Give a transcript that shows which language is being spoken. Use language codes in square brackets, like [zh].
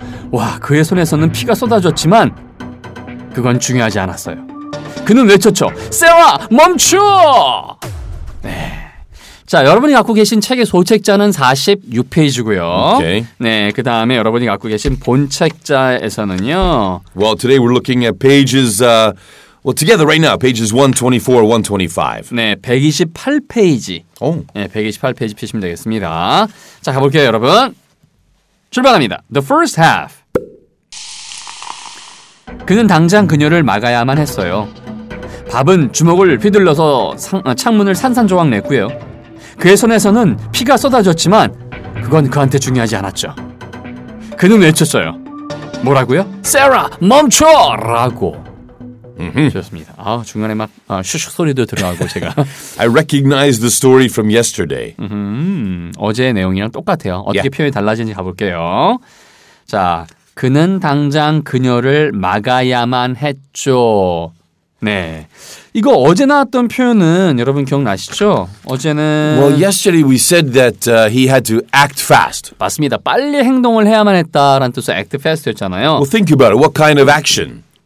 [ko] 와, 그의 손에서는 피가 쏟아졌지만 그건 중요하지 않았어요. 그는 외쳤죠. 세화, 멈춰! 네. 자, 여러분이 갖고 계신 책의 소책자는 46페이지고요. [en] Okay. [ko] 네, 그 다음에 여러분이 갖고 계신 본책자에서는요. [en] Well, today we're looking at pages, together right now, pages 124, 125. [ko] 네, 128페이지. Oh. 네, 128페이지 펴시면 되겠습니다. 자, 가볼게요, 여러분. 출발합니다. [en] The first half. [ko] 그는 당장 그녀를 막아야만 했어요. 밥은 주먹을 휘둘러서 창문을 산산조각 냈고요. 그의 손에서는 피가 쏟아졌지만 그건 그한테 중요하지 않았죠. 그는 외쳤어요. 뭐라고요? 세라, 멈춰! 라고. 좋습니다. 아, 중간에 막 슈슉 소리도 들어가고 제가. [en] I recognize the story from yesterday. [ko] 어제의 내용이랑 똑같아요. 어떻게 yeah. 표현이 달라지는지 가볼게요. 자, 그는 당장 그녀를 막아야만 했죠. 네. 이거 어제 나왔던 표현은 여러분 기억나시죠? 어제는 [en] Well, yesterday we said that he had to act fast. [ko] 맞습니다. 빨리 행동을 해야만 했다라는 뜻의 act fast였잖아요. [en] Well, think about it. What kind of action?